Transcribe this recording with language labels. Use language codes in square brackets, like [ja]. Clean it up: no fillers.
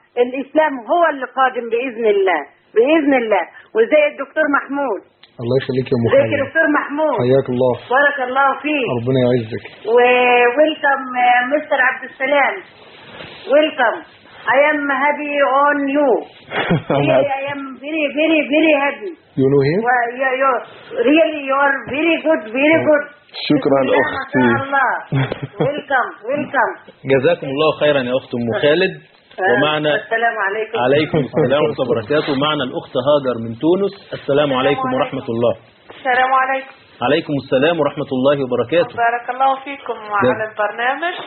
[ar] الإسلام هو اللي قادم بإذن الله. وزي الدكتور محمود، الله يخليك يا محمود. زي الدكتور محمود، حياك الله، بارك الله فيك، ربنا يعزك. [en] وويلكم مستر عبد السلام، welcome. I am happy on you. Really, I am very, very, very happy. You know him? Well, yeah, you're really very good, very good. [ar] Shukran, Akhti. [en] Welcome. [ar] جزاكم الله خيرا يا أخت أم خالد. ومعنا السلام عليكم. عليكم السلام ورحمة وبركاته. ومعنا الأخت هاجر من تونس. السلام عليكم ورحمة الله. السلام عليكم. عليكم السلام ورحمة الله وبركاته. بارك الله فيكم وعلى البرنامج.